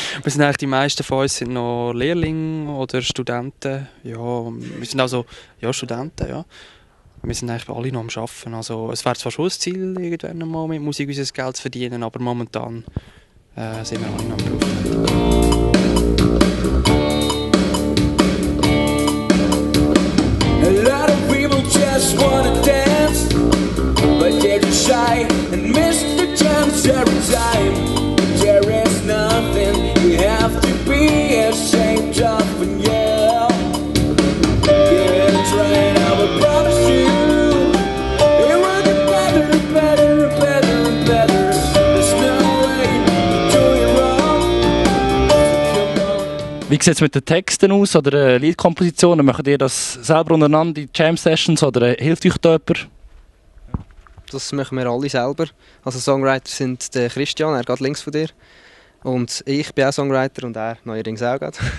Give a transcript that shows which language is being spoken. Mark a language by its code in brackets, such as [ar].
[de] Wir sind eigentlich, die meisten von uns sind noch Lehrlinge oder Studenten. Ja, wir sind also ja, Studenten, ja. Wir sind eigentlich alle noch am Arbeiten. Also, es wäre zwar schon das Ziel, irgendwann mal mit Musik unser Geld zu verdienen, aber momentan sind wir alle noch am Berufstätig. [en] A lot of people just wanna dance, but they're too shy and miss the chance every time. There is nothing you have to be ashamed of, and yeah, give it a try. And I will promise you, it will get better, better, better, better. There's no way to do it wrong. [de] Wie sieht's mit den Texten aus oder Liedkompositionen? Macht ihr das selber untereinander in Jam-Sessions oder hilft euch da jemand? Das machen wir alle selber. Also Songwriter sind der Christian, er geht links von dir. Und ich bin auch Songwriter und er neuerdings auch geht.